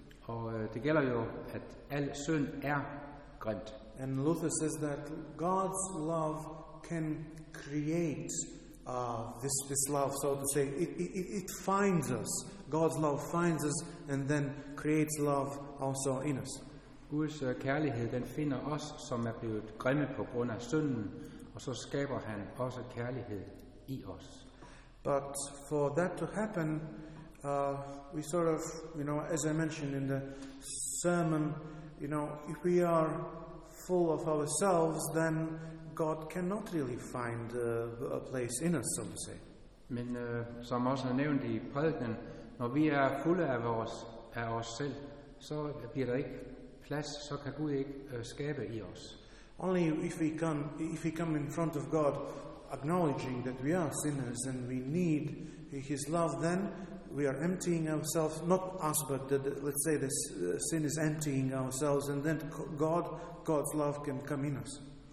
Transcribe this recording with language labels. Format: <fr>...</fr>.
<da>Og det gælder jo, at al synd er grimt.</da> <en>And Luther says that God's love can create this love, so to say, it finds us. God's love finds us and then creates love also in us.</en> <da>Guds kærlighed, den finder os, som er blevet grimme på grund af synden, og så skaber han også kærlighed i os.</da> <en>But for that to happen, we sort of, you know, as I mentioned in the sermon, you know, if we are full of ourselves, then God cannot really find a place in us, so to say.</en> <da>Men som også er nævnt i prædiken, når vi er fulde af os selv, så bliver der ikke plads, så kan Gud ikke skabe i os.</da> <en>Only if we come in front of God acknowledging that we are sinners and we need his love, then we are emptying ourselves, not us, but sin is emptying ourselves, and then God's love can come in us.</en>